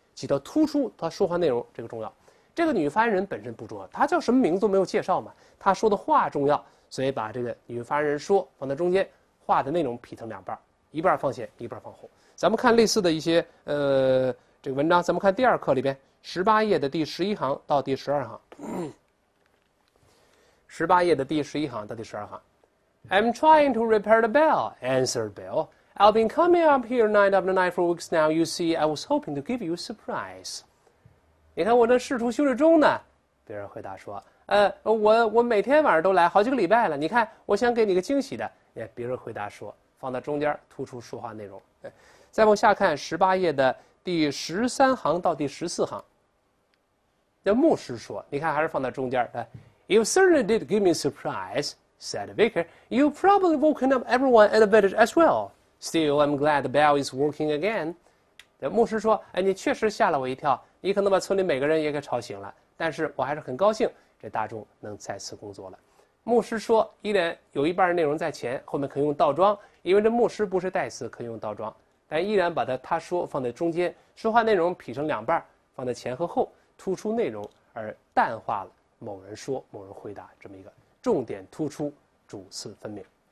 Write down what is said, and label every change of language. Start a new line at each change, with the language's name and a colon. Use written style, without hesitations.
Chinese: 起到突出他说话内容这个重要。这个女发言人本身不重要，她叫什么名字都没有介绍嘛，她说的话重要，所以把这个女发言人说放在中间，话的内容劈成两半，一半放前一半放后。咱们看类似的一些这个文章，咱们看第二课里边18页的第11行到第12行，18页的第11行到第12行。
English: I'm trying to repair the bell, answered Bill. I've been coming up here night after night for weeks now. You see, I was hoping to give you a surprise.
Chinese: 你看我这试图修理钟呢，别人回答说，我每天晚上都来，好几个礼拜了。你看，我想给你个惊喜的。别人回答说，放在中间突出说话内容。再往下看18页的第13行到第14行。这牧师说，你看还是放在中间。
English: You certainly did give me a surprise, said the vicar. You probably woken up everyone at the village as well. Still, I'm glad the bell is working again.
Chinese: 牧师说，哎，你确实吓了我一跳，你可能把村里每个人也给吵醒了，但是我还是很高兴这大钟能再次工作了。牧师说，依然有一半内容在前，后面可以用倒装，因为这牧师不是代词，可以用倒装，但依然把他说放在中间，说话内容劈成两半，放在前和后，突出内容而淡化了某人说某人回答这么一个重点突出主次分明。